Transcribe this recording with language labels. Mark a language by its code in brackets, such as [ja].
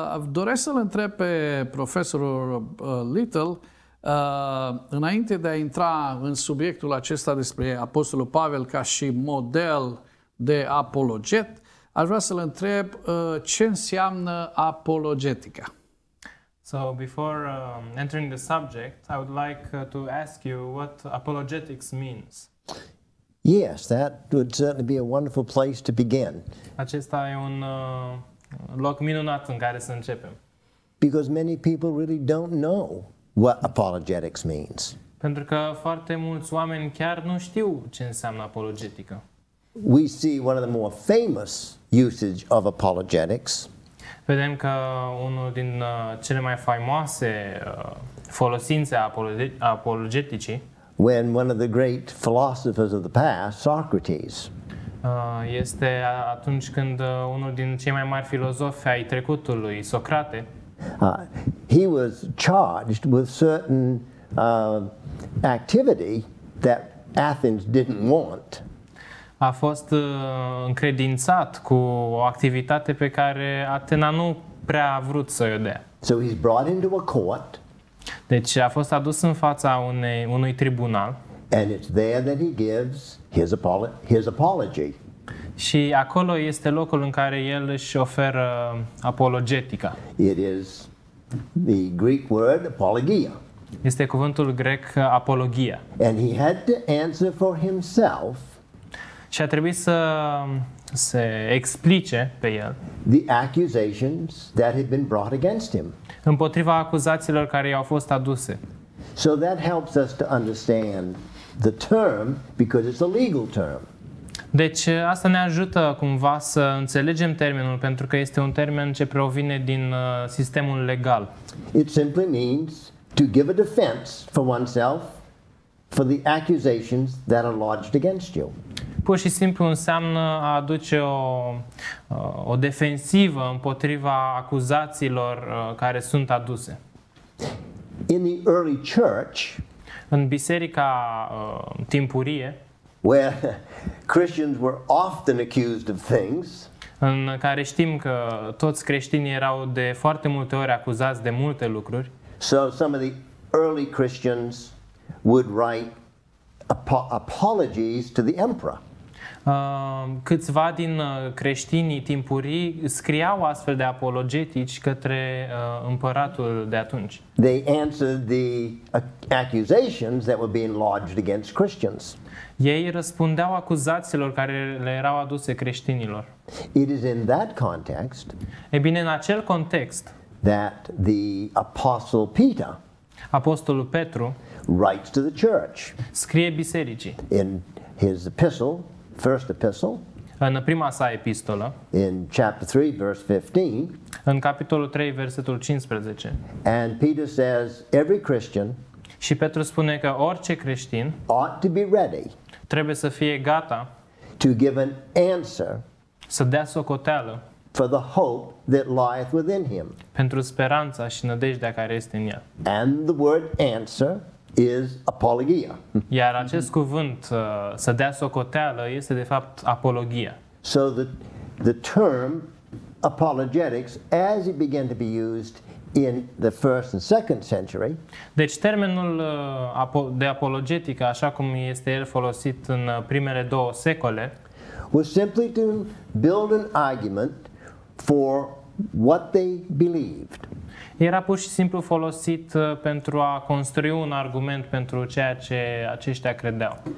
[ro] Doresc să-l întreb pe profesorul Little, înainte de a intra în subiectul acesta despre Apostolul Pavel ca și model de apologet, aș vrea să-l întreb ce înseamnă apologetica. [en] So before entering the subject, I would like to ask you what apologetics means. Yes, that would certainly be a wonderful place to begin. [ro] Acesta e un loc minunat în care să începem. [en] Because many people really don't know what apologetics means. [ro] Pentru că foarte mulți oameni chiar nu știu ce înseamnă apologetică. [en] We see one of the more famous usage of apologetics. [ro] Vedem că unul din cele mai faimoase folosințe apologeticii, [en] when one of the great philosophers of the past, Socrates, [ro] este atunci când unul din cei mai mari filozofi ai trecutului, Socrate, [en] he was charged with certain activity that Athens didn't want. [ro] A fost încredințat cu o activitate pe care Atena nu prea a vrut să o dea. [en] So he's brought into a court. [ro] Deci a fost adus în fața unui tribunal. [en] And it's there that he gives his apology. [ro] Și acolo este locul în care el își oferă apologetica. [en] It is the Greek word apologia. [ro] Este cuvântul grec apologia. [en] And he had to answer for himself. [ro] Și a trebuit să se explice pe el [en] the accusations that had been brought against him. [ro] Împotriva acuzațiilor care i-au fost aduse. [en] So that helps us to understand the term because it's a legal term. [ro] Deci asta ne ajută cumva să înțelegem termenul pentru că este un termen ce provine din sistemul legal. [en] It simply means to give a defense for oneself for the accusations that are lodged against you. [ro] Pur și simplu înseamnă a aduce o defensivă împotriva acuzațiilor care sunt aduse. [en] In the early church, [ro] în biserica timpurie, [en] where Christians were often accused of things, [ro] în care știm că toți creștinii erau de foarte multe ori acuzați de multe lucruri. [en] So some of the early Christians would write apologies to the emperor. [ro] Câțiva din creștinii timpurii scriau astfel de apologetici către împăratul de atunci. [en] They answered the accusations that were being lodged against Christians. [ro] Ei răspundeau acuzațiilor care le erau aduse creștinilor. [en] It is in that context. [ro] E bine, în acel context [en] that the apostle Peter, [ro] apostolul Petru, [en] writes to the church. [ro] Scrie bisericii. [en] In his epistle, first epistle, [ro] în prima sa epistolă, [en] in chapter 3 verse 15, [ro] în capitolul 3 versetul 15. [en] And Peter says every Christian, [ro] și Petru spune că orice creștin [en] ought to be ready, [ro] trebuie să fie gata [en] to give an answer, [ro] să dea socoteală [en] for the hope that lieth within him, [ro] pentru speranța și nădejdea care este în el. [en] And the word answer is apologia. [ro] Iar acest cuvânt, să dea socoteală, este de fapt apologia. [en] So the term apologetics, as it began to be used in the first and second century. [ro] Deci termenul de apologetică, așa cum este el folosit în primele două secole, [en] was simply to build an argument for what they believed. [ro] Era pur și simplu folosit pentru a construi un argument pentru ceea ce aceștia credeau.